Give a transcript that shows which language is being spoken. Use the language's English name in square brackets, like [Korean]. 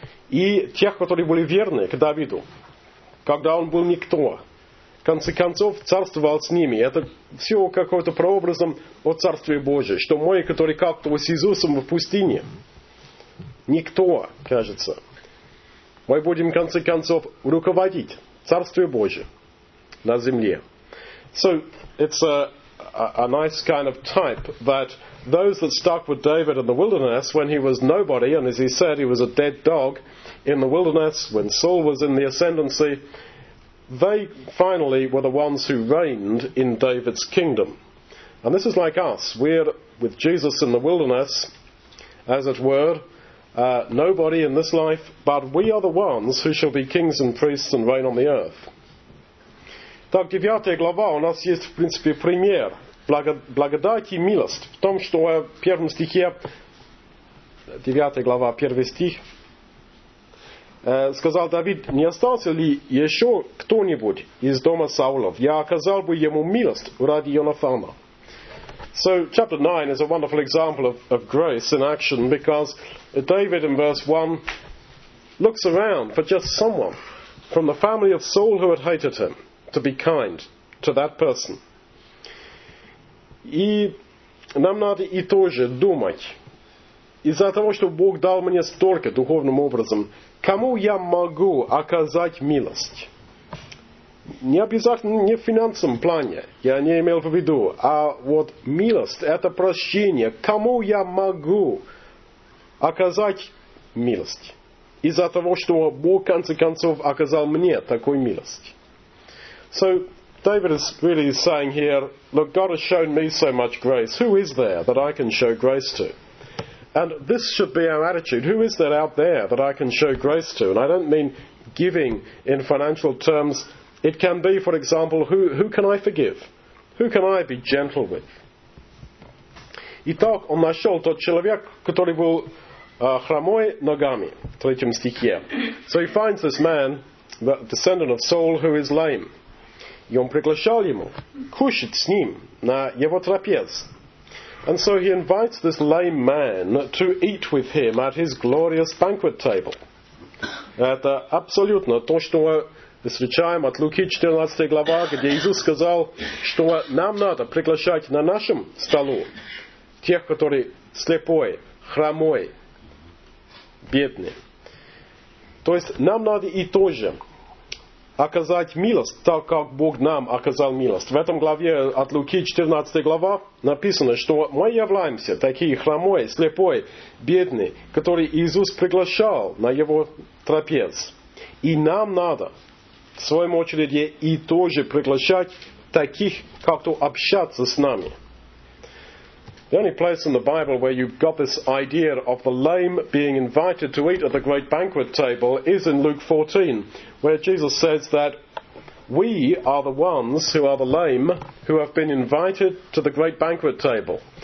[Russian] И тех, которые были верны к Давиду, когда он был никто, в конце концов, царствовал с ними. Это все какое-то прообразом о Царстве Божьем, что мы, которые как-то с Иисусом в пустыне, никто, кажется. Мы будем, в конце концов, руководить Царствием Божьим на земле. [English] So it's a nice kind of type that those that stuck with David in the wilderness when he was nobody, and as he said, he was a dead dog in the wilderness when Saul was in the ascendancy, they finally were the ones who reigned in David's kingdom. And this is like us. We're with Jesus in the wilderness, as it were, nobody in this life, but we are the ones who shall be kings and priests and reign on the earth. [Russian] Так, 9 глава, у нас есть, в принципе, пример. Благодать и милость. В том, что в первом стихе, 9 глава, 1 стих, сказал Давид, не остался ли еще кто-нибудь из дома Саулов? Я оказал бы ему милость ради Йонафана. [English] So, chapter 9 is a wonderful example of grace in action, because David, in verse 1, looks around for just someone from the family of Saul who had hated him to be kind to that person. [Russian] И нам надо и тоже думать. Из-за того, что Бог дал мне столько духовным образом, кому я могу оказать милость? Не обязательно, не в финансовом плане, я не имел в виду, а вот милость, это прощение. Кому я могу оказать милость? Из-за того, что Бог, в конце концов, оказал мне такую милость. [English] So, David is really saying here, look, God has shown me so much grace. Who is there that I can show grace to? And this should be our attitude. Who is there out there that I can show grace to? And I don't mean giving in financial terms. It can be, for example, who can I forgive? Who can I be gentle with? [Russian] Итак, он нашел тот человек, который был хромой ногами. В третьем стихе. [English] So he finds this man, the descendant of Saul, who is lame. [Russian] И он приглашал ему кушать с ним на его трапез. [English] And so he invites this lame man to eat with him at his glorious banquet table. [Russian] Это абсолютно то, что мы встречаем от Луки 14 глава, где Иисус сказал, что нам надо приглашать на нашем столу тех, которые слепой, хромой, бедные. То есть нам надо и тоже оказать милость, так как Бог нам оказал милость. В этом главе от Луки, 14 глава, написано, что мы являемся такие хромой, слепой, бедные, которые Иисус приглашал на его трапез. И нам надо, в своем очереди, и тоже приглашать таких, как-то общаться с нами. [English] The only place in the Bible where you've got this idea of the lame being invited to eat at the great banquet table is in Luke 14, where Jesus says that we are the ones who are the lame who have been invited to the great banquet table.